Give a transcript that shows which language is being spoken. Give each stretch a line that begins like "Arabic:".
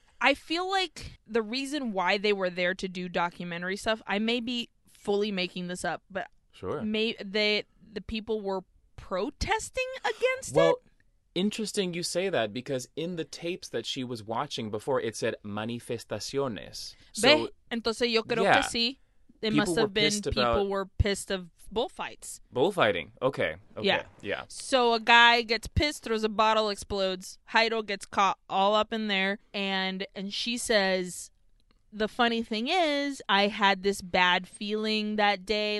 English: I feel like the reason why they were there to do documentary stuff, I may be fully making this up, but the people were protesting against it? Well, interesting you say that, because in the tapes that she was watching before, it said manifestaciones.
Spanish: ¿Ve? Entonces yo creo que sí.
English: it must have been people were pissed of bullfights. Bullfighting. Okay. Okay. Yeah. Yeah. So a guy gets pissed, throws a bottle, explodes. Heidel gets caught all up in there. And she says, the funny thing is, I had this bad feeling that day.